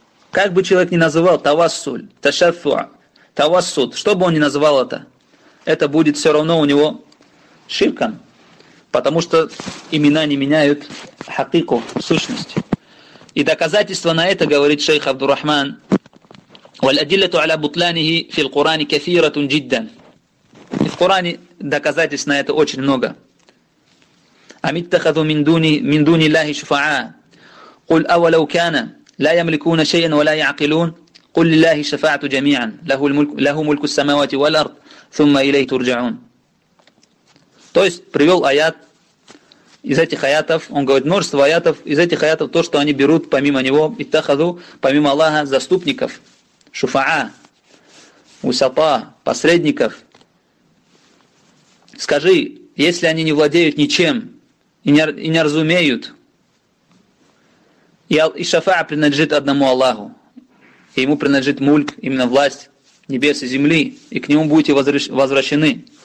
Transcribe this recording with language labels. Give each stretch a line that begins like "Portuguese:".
Russian: Как бы человек ни называл тавассуль, ташафу, тавассуд, что бы он ни называл это будет все равно у него ширком, потому что имена не меняют хакику, сущность. И доказательство на это, говорит шейх Абдурахман,
Arabic: «Валь-адиллату аля бутланихи фил Курани кафиратун джиддан».
Russian: И в Куране доказательств на это очень много.
Arabic: «Амиттахаду миндуни лахи шуфа'а». قل أولو كان لا يملكون شيئا ولا يعقلون قل لله الشفاعة جميعا له ملك السماوات والأرض ثم إليه ترجعون.
Russian: То есть привел аят из этих аятов, он говорит, множество аятов, из этих аятов то, что они берут помимо него, иттахаду, помимо Аллаха, заступников, шуфа'а, усата, посредников, Скажи, если они не владеют ничем и не разумеют, и шафаа принадлежит одному Аллаху, и ему принадлежит мульк, именно власть небес и земли, и к нему будете возвращены.